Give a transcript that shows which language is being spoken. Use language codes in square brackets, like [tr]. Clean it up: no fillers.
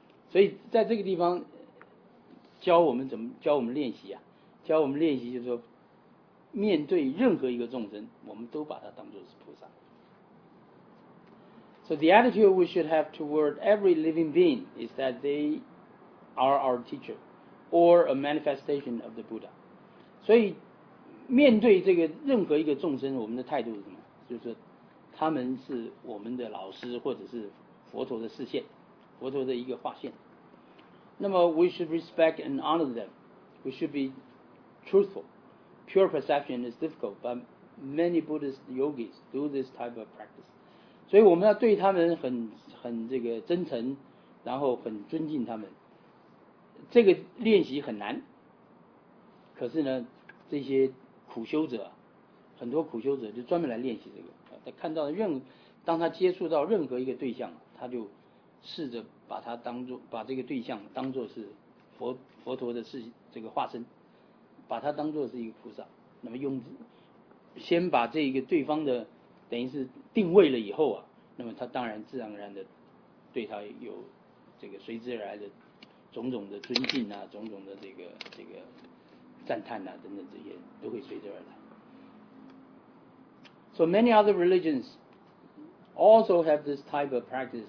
[zh] 所以在这个地方教我们怎么教我们练习啊，教我们练习就是说，面对任何一个众生，我们都把它当作是菩萨。 [en] So the attitude we should have toward every living being is that they are our teacher or a manifestation of the Buddha. [zh] 所以面对这个任何一个众生，我们的态度是什么？就是他们是我们的老师，或者是佛陀的示现，佛陀的一个化现。那么 [en] we should respect and honor them. We should be truthful. Pure perception is difficult, but many Buddhist yogis do this type of practice. [zh] 所以我们要对他们很这个真诚，然后很尊敬他们。这个练习很难，可是呢，这些苦修者，很多苦修者就专门来练习这个。他看到任，当他接触到任何一个对象，他就试着把他当作把这个对象当作是佛陀的是这个化身，把他当作是一个菩萨。那么用先把这个对方的。等于是定位了以后啊，那么他当然自然而然的对他有这个随之而来的种种的尊敬啊，种种的这个赞叹啊等等，这些都会随之而来。 [en] So many other religions also have this type of practice.